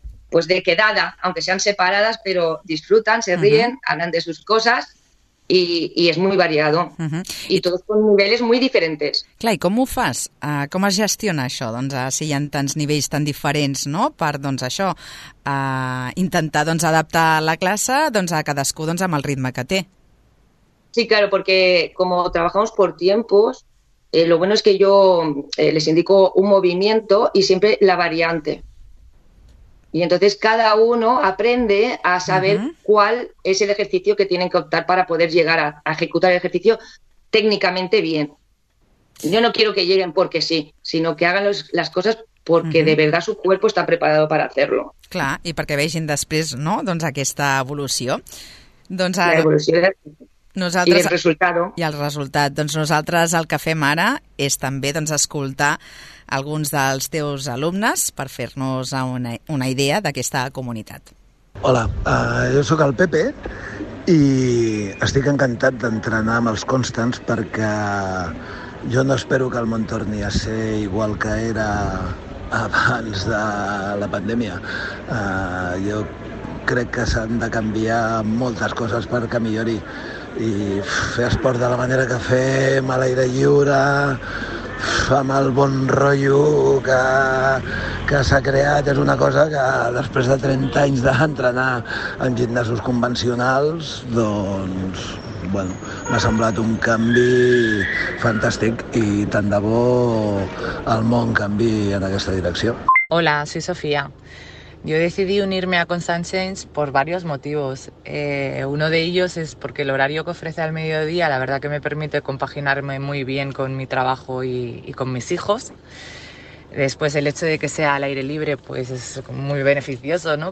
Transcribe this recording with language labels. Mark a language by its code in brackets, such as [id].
[es] pues de quedada, aunque sean separadas, pero disfrutan, se ríen, hablan de sus cosas y es muy variado. Y todos con niveles muy diferentes. [ca] Clar, i com ho fas? Com es gestiona això? Doncs, si hi ha tants nivells tan diferents, no? Per doncs, això, intentar doncs, adaptar la classe doncs, a cadascú doncs, amb el ritme que té. [es] Sí, claro, porque como trabajamos por tiempos, lo bueno es que yo les indico un movimiento y siempre la variante. Y entonces cada uno aprende a saber cuál es el ejercicio que tienen que optar para poder llegar a ejecutar el ejercicio técnicamente bien. Yo no quiero que lleguen porque sí, sino que hagan las cosas porque de verdad su cuerpo está preparado para hacerlo. [ca] Clar, i perquè vegin després, no?, doncs aquesta evolució. Doncs ara... la evolució de... nosaltres... i el resultat. I el resultat. Doncs nosaltres el que fem ara és també doncs, escoltar alguns dels teus alumnes per fer-nos una idea d'aquesta comunitat. Hola, jo sóc el Pepe i estic encantat d'entrenar amb els Constants perquè jo no espero que el món torni a ser igual que era abans de la pandèmia. Jo crec que s'han de canviar moltes coses perquè millori i fer esport de la manera que fem, a l'aire lliure, amb el bon rotllo que s'ha creat, és una cosa que després de 30 anys d'entrenar en gimnasos convencionals, doncs, bueno, m'ha semblat un canvi fantàstic i tant de bo el món canvi en aquesta direcció. [es] Hola, soy Sofía. Yo decidí unirme a Constant Change por varios motivos. Uno de ellos es porque el horario que ofrece al mediodía, la verdad que me permite compaginarme muy bien con mi trabajo y con mis hijos. Después, el hecho de que sea al aire libre, pues es muy beneficioso, ¿no?